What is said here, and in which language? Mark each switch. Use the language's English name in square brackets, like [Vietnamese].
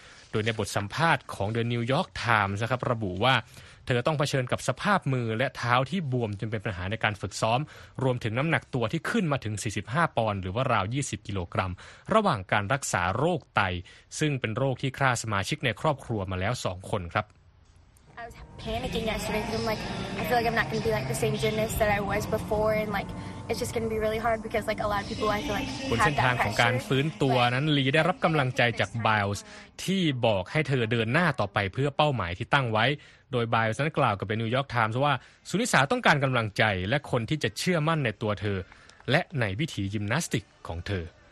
[Thai] โดยในบทสัมภาษณ์ของ The New York Times นะครับระบุว่าเธอต้องเผชิญกับสภาพมือและเท้าที่บวมจนเป็นปัญหาในการฝึกซ้อมรวมถึงน้ำหนักตัวที่ขึ้นมาถึง45ปอนด์หรือว่าราว20กิโลกรัมระหว่างการรักษาโรคไตซึ่งเป็นโรคที่ฆ่าสมาชิกในครอบครัวมาแล้ว2คนครับ [English] panicking yesterday because I'm like, I feel like I'm not going to be like the same gymnast that I was before, and like it's just going to be really hard because like a lot of people I feel like [Thai] บนเส้นทางของการฟื้นตัวนั้นลีได้รับกำลังใจจากไบลส์ที่บอกให้เธอเดินหน้าต่อไปเพื่อเป้าหมายที่ตั้งไว้โดยไบลส์นั้นกล่าวกับเป็นนิวยอร์กไทมส์ว่าสุนิสาต้องการกำลังใจและคนที่จะเชื่อมั่นในตัวเธอและในวิถียิมนาสติกของเธอ